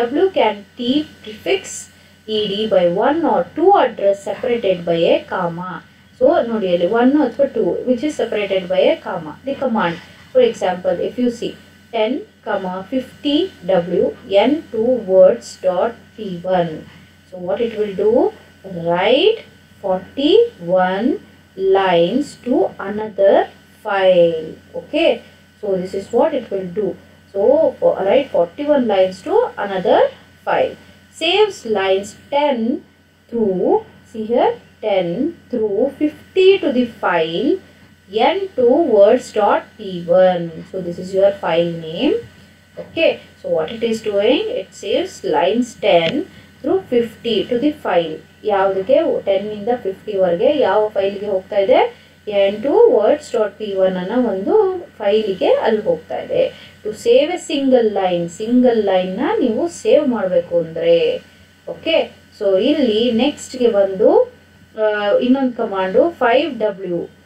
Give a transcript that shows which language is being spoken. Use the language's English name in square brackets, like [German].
[English] W can be prefixed by one or two address separated by a comma. So [Kannada] ನೋಡಿ, ಅಲ್ಲಿ [English] One ಅಥವಾ two which is separated by a comma the command. For example, if you see 10,50W(n2words.p1). So what it will do, write 41 lines to another file. Okay, so this is what it will do. So write 41 lines to another file. Saves lines 10 through, see here, 10 through 50 to the file n2words.p1. So this is your file name. Okay, so what it is doing, it saves lines 10 through 50 to the file. [Kannada] ಯಾವುದಕ್ಕೆ 10 ಇಂದ 50 ವರೆಗೆ ಯಾವ ಫೈಲ್ಗೆ ಹೋಗ್ತಾ ಇದೆ, n2words.p1 ಅನ್ನ ಒಂದು ಫೈಲಿಗೆ ಅಲ್ಲಿ ಹೋಗ್ತಾ ಇದೆ. [English] to save a single line, [Kannada] single line ನ ನೀವು ಸೇವ್ ಮಾಡಬೇಕು ಅಂದ್ರೆ, ಓಕೆ. ಸೊ ಇಲ್ಲಿ ನೆಕ್ಸ್ಟ್ ಗೆ ಬಂದು ಇನ್ನೊಂದು ಕಮಾಂಡ್ 5w.